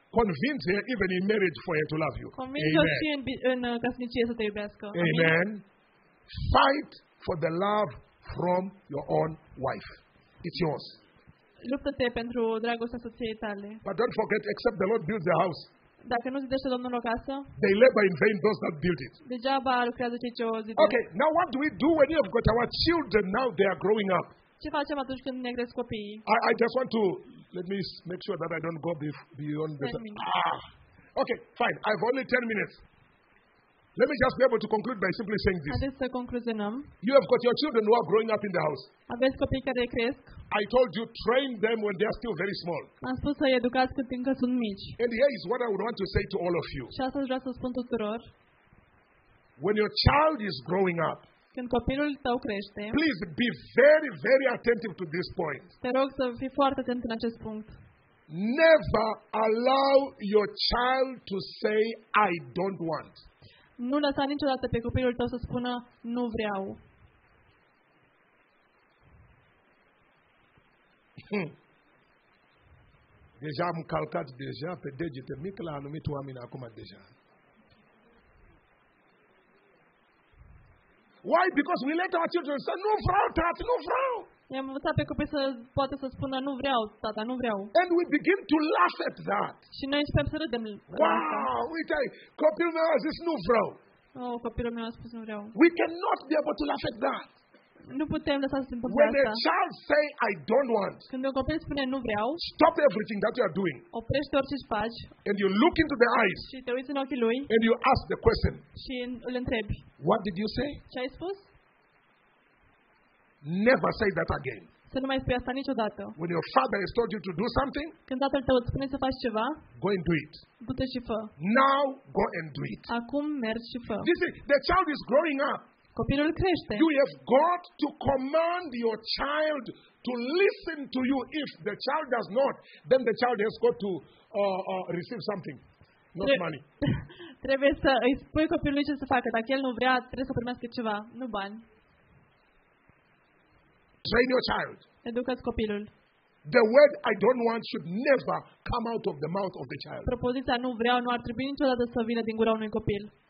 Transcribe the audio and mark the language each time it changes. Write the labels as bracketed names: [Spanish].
[English] Convince her even in marriage for her to love you. [Romanian] Convins-o și în căsnicie să te iubească. [English] Amen. Amen. Fight for the love from your own wife. It's yours. [Romanian] Luptă-te pentru dragostea soției tale. [English] But don't forget, except the Lord build the house. [Romanian] Dacă nu zidește Domnul o casă, [English] they labor in vain those that build it. [Romanian] Degeaba lucrează cei ce o zidesc. [English] Okay, now what do we do when you have got our children now they are growing up? [Romanian] Ce facem atunci când ne cresc copiii? [English] I just want to let me make sure that I don't go beyond the Okay, fine. I have only 10 minutes. Let me just be able to conclude by simply saying this. [Romanian] Haideți să concluzionăm. [English] You have got your children who are growing up in the house. [Romanian] Aveți copii care cresc. [English] I told you, train them when they are still very small. [Romanian] Am spus să-i educați cât încă sunt mici. [English] And here is what I would want to say to all of you. [Romanian] Și asta vreau să spun tuturor. [English] When your child is growing up, [Romanian] când copilul tău crește, [English] please be very, very attentive to this point. [Romanian] Te rog să fii foarte atent în acest punct. [English] Never allow your child to say, I don't want. [Romanian] Nu lăsa niciodată pe copilul tău să spună, nu vreau. Deja am calcat deja pe degete mic la anumit oameni acum deja. [English] Why? Because we let our children say, [Romanian] nu vreau, tată, nu vreau. I-am învățat pe copii să poată să spună, nu vreau, tata, nu vreau. [English] And we begin to laugh at that. [Romanian] Și noi începem să râdem. Wow, uite, copilul meu a zis, nu vreau. Oh, copilul meu a spus, nu vreau. [English] We cannot be able to laugh at that. [Romanian] Nu putem lăsa să se întâmple [English] when [Romanian] asta. [English] When a child say, I don't want. [Romanian] Când un copil spune, nu vreau. [English] Stop everything that you are doing. [Romanian] Oprește orice faci. [English] And you look into the eyes. [Romanian] Și te uiți în ochii lui. [English] And you ask the question. [Romanian] Și îl întrebi. [English] What did you say? [Romanian] Ce ai spus? [English] Never say that again. [Romanian] Să nu mai spui asta niciodată. [English] When your father has told you to do something, [Romanian] când tatăl tău îți spune să faci ceva, [English] go and do it. [Romanian] Du-te și fă. [English] Now go and do it. [Romanian] Acum mergi și fă. [English] This is, the child is growing up. [Romanian] Copilul crește. [English] You have got to command your child to listen to you. If the child does not, then the child has got to receive something, not money. [Romanian] Trebuie să îi spui copilului ce să facă. Dacă el nu vrea, trebuie să primească ceva, nu bani. [English] Train your child. [Romanian] Educați copilul. [English] The word I don't want should never come out of the mouth of the child. [Romanian] Propoziția nu vreau nu ar trebui niciodată să vină din gura unui copil.